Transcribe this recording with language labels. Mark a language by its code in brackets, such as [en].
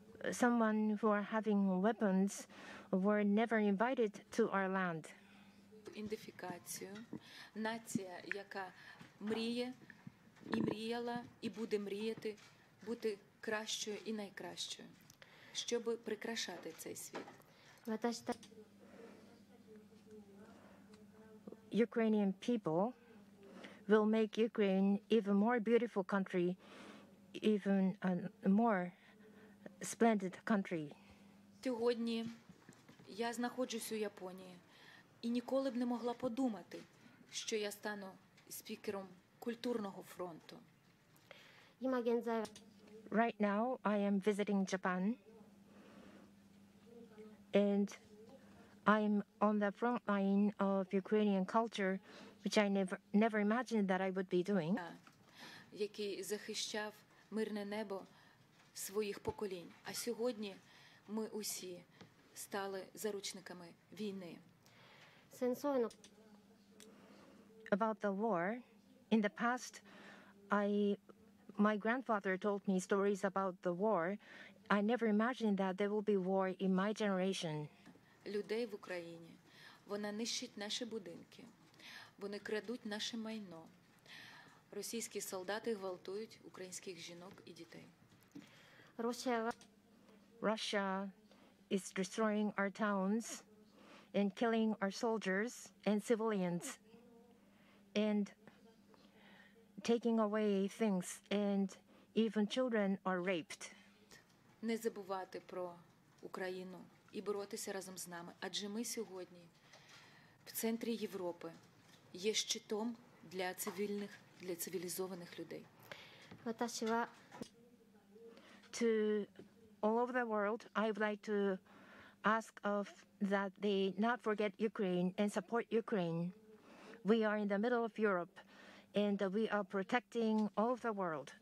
[en] Someone who are having weapons were never invited to our land. [uk] Ідентифікацію. Нація, яка мріє і мріяла і буде мріяти бути кращою і найкращою, щоб прикрашати цей світ. [en] Ukrainian people will make Ukraine even more beautiful country, even more splendid country. [uk] Сьогодні я знаходжусь у Японії і ніколи б не могла подумати, що я стану спікером культурного фронту. [en] Right now I am visiting Japan and I'm on the front line of Ukrainian culture, which I never imagined that I would be doing. [uk] Який захищав мирне небо своїх поколінь. А сьогодні ми усі стали заручниками війни. Сенсовно. [en] about the war. In the past, my grandfather told me stories about the war. I never imagined that there will be war in my generation. [uk] Людей в Україні. Вони нищать наші будинки. Вони крадуть наше майно. Російські солдати гвалтують українських жінок і дітей. [en] Russia is destroying our towns and killing our soldiers and civilians and taking away things, and even children are raped. [uk] Не забувати про Україну і боротися разом з нами, адже ми сьогодні в центрі Європи є щитом для цивільних, для цивілізованих людей. [en] To all over the world, I would like to ask of that they not forget Ukraine and support Ukraine. We are in the middle of Europe, and we are protecting all of the world.